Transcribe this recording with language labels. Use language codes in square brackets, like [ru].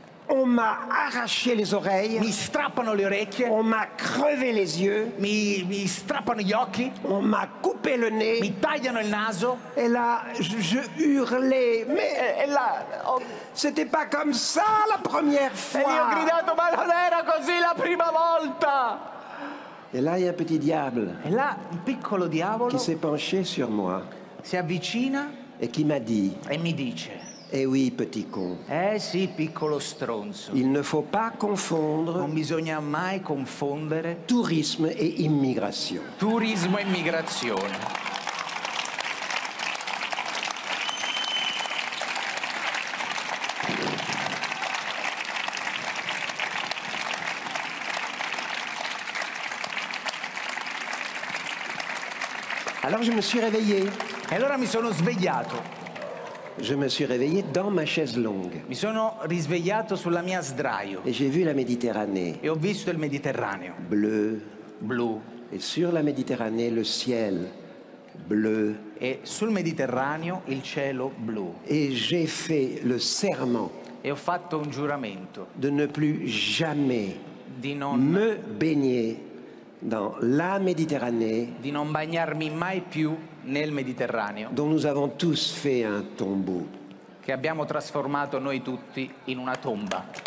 [fr] On m'a arraché les oreilles. [it] Mi strappano le orecchie. [fr] On m'a crevé les yeux. [it] Mi strappano gli occhi. [fr] On m'a coupé le nez. [it] Mi tagliano il naso. [fr] Et là, je hurlais. Mais là, c'était pas comme ça la première fois. [it] E io ho gridato, ma non era così la prima volta. [fr] Et là, il y a un petit diable. [it] E là, un piccolo diavolo. [fr] Qui s'est penché sur moi. [it] Si avvicina. [fr] Et qui m'a dit. [it] E mi dice. [fr] Eh oui, petit con. [it] Eh sì, piccolo stronzo. [fr] Il ne faut pas confondre. [it] Non bisogna mai confondere. [fr] Tourisme et immigration. [it] Turismo e immigrazione. [fr] Alors je me suis réveillé. [it] E allora mi sono svegliato. [fr] Je me suis réveillé dans ma chaise longue. [it] Mi sono risvegliato sulla mia sdraio. [fr] Et j'ai vu la Méditerranée. [it] E ho visto il Mediterraneo. [fr] Bleu. [it] Blu. [fr] Et sur la Méditerranée, le ciel bleu. [it] E sul Mediterraneo, il cielo blu. [fr] Et j'ai fait le serment. [it] E ho fatto un giuramento. [fr] De ne plus jamais. [it] Di non. [fr] Me baigner dans la Méditerranée. [it] Di non bagnarmi mai più. Nel Mediterraneo, [fr] dont nous avons tous fait un tombeau, [it] che abbiamo trasformato noi tutti in una tomba.